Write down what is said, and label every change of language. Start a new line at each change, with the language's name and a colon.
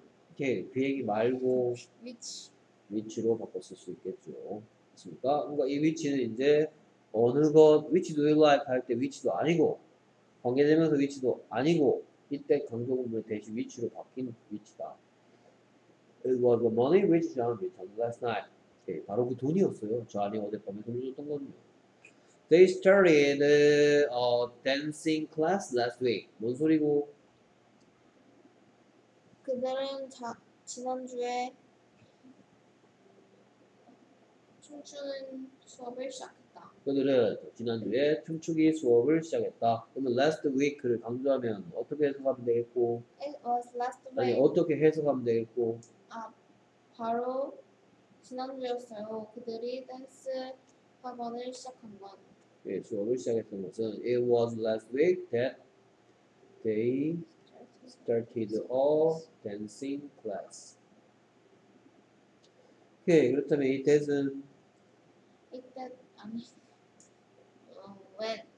Korean: 이렇게 그 얘기 말고 위치. 위치로 바꿨을 수 있겠죠. 그렇습니까? 그러니까 이 위치는 이제 어느 것 위치
English: do you like
Korean: 할 때 위치도 아니고 관계되면서 위치도 아니고 이때 강조구문 대신 위치로 바뀐 위치다.
English: It was the money which John returned last night.
Korean: 네, 바로 그 돈이었어요. 저한테 어젯밤에 돌려줬던 건요.
English: They started a dancing class last week.
Korean: 뭔 소리고? 그들은 지난주에 춤추는 수업을 시작했다. 그들은 지난주에 춤추기 수업을 시작했다. 그러면 last week를 강조하면 어떻게 해석하면 되겠고?
English: It was last week.
Korean: 아니, 어떻게 해석하면 되겠고? 아, 바로 지난주였어요. 그들이 댄스 학원을 시작한 건. 예, 수업을 시작했던 것은
English: It was last week that they started a dancing class.
Korean: 오케이, 그렇다면 이 that은
English: it that
Korean: 아니
English: when